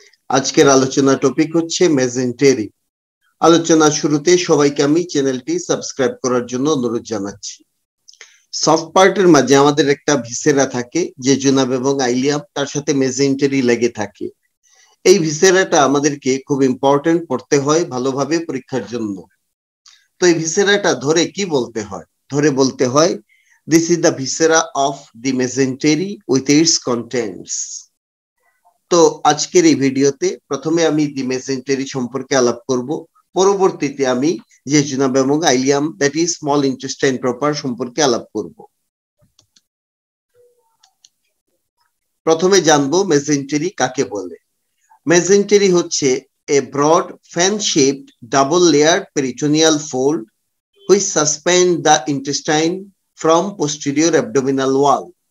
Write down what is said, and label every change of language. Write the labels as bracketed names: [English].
[Bangla] আজকের আলোচনা টপিক হচ্ছে মেসেন্টেরি। আলোচনার শুরুতে সবাইকে আমি চ্যানেলটি সাবস্ক্রাইব করার জন্য অনুরোধ জানাচ্ছি। সফট পার্টের মাঝে আমাদের একটা ভিসেরা থাকে, জেজুনাম এবং আইলিয়াম, তার সাথে মেসেন্টেরি লেগে থাকে। এই ভিসেরাটা আমাদেরকে খুব ইম্পর্টেন্ট, পড়তে হয় ভালোভাবে পরীক্ষার জন্য। তো এই ভিসেরাটা ধরে কি বলতে হয়? ধরে বলতে হয় [English] This is the viscera of the mesentery with its contents. [Bangla] তো আজকের এই ভিডিওতে প্রথমে আমি দি মেসেন্টেরি সম্পর্কে আলাপ করব, পরবর্তীতে আমি জেজুনাম এবং ileum, [English] that is small intestine proper, [Bangla] সম্পর্কে আলাপ করব। প্রথমে জানব মেসেন্টেরি কাকে বলে। মেসেন্টেরি হচ্ছে [English] A broad fan shaped double layer peritoneal fold which suspend the intestine from posterior abdominal wall.